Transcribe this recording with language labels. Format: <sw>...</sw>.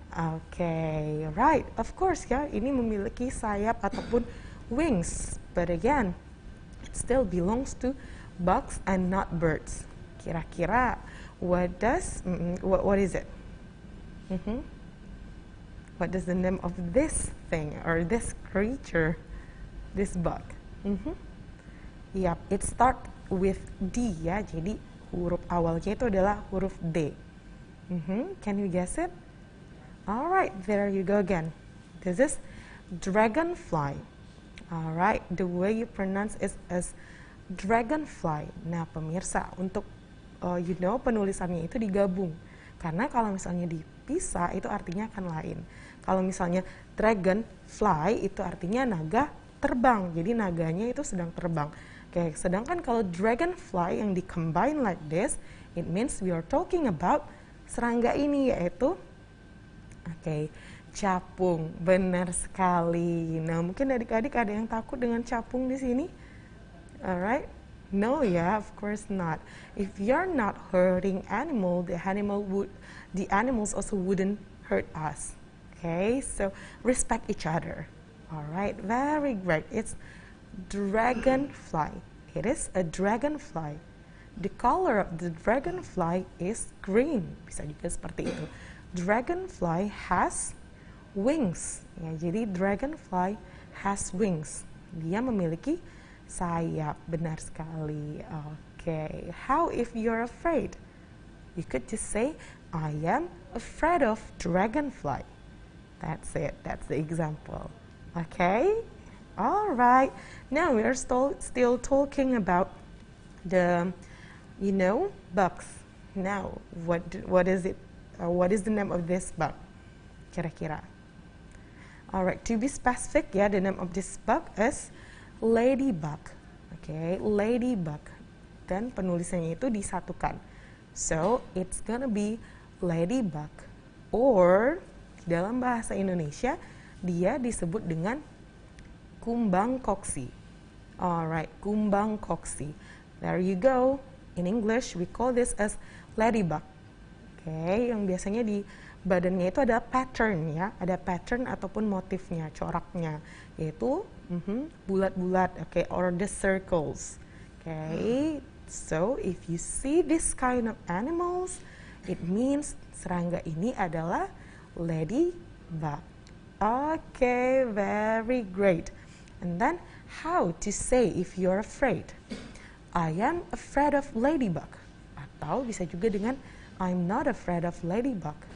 <en>Okay, right, of course ya,</en> <id>ini memiliki sayap ataupun</id> <en>wings, but again, it still belongs to bugs and not birds. Kira-kira, what is it? Mm-hmm. What is the name of this thing or this creature, this bug? Mm-hmm. Yep, it start with D</en> <id>ya, jadi huruf awalnya itu adalah huruf D.</id> <en>Mm-hmm. Can you guess it? Alright, there you go again. This is dragonfly. Alright, the way you pronounce it is dragonfly.</en> <id>Nah, pemirsa, untuk you know, penulisannya itu digabung. Karena kalau misalnya dipisah, itu artinya akan lain. Kalau misalnya dragonfly, itu artinya naga terbang. Jadi naganya itu sedang terbang. Okay, sedangkan kalau dragonfly yang dikombine</id> <en>like this, it means we are talking about</en> <id>serangga ini, yaitu okay, capung. Benar sekali. Nah, mungkin adik-adik ada yang takut dengan capung di sini?</id> <en>Alright? No, yeah, of course not. If you're not hurting animal, the animals also wouldn't hurt us. Okay? So, respect each other. Alright? Very great. It's dragonfly. It is a dragonfly. The color of the dragonfly is green.</en> <id>Bisa juga seperti itu.</id> <en>Dragonfly has wings. Ya, jadi dragonfly has wings.</en> <id>Dia memiliki sayap. Benar sekali. Okay.</id> <en>How if you're afraid? You could just say, I am afraid of dragonfly. That's it. That's the example. Okay? Alright. Now we are still talking about the, you know, bugs. Now, what is it? What is the name of this bug? Kira-kira. Alright, to be specific, yeah, the name of this bug is ladybug. Okay, ladybug.</en> <id>Dan penulisannya itu disatukan.</id> <en>So, it's gonna be ladybug.</en> <id>Or, dalam bahasa Indonesia, dia disebut dengan kumbang koksi.</id> <en>Alright, kumbang koksi. There you go. In English, we call this as ladybug.</en> <id>Okay, yang biasanya di badannya itu ada pattern ya, ada pattern ataupun motifnya, coraknya, yaitu bulat-bulat, okay,</id> <en>or the circles. Okay, so if you see this kind of animals, it means</en> <id>serangga ini adalah</id> <en>ladybug. Okay, very great. And then, how to say if you're afraid? I am afraid of ladybug.</en> <id>Atau bisa juga dengan</id> <en>I'm not afraid of ladybug.</en>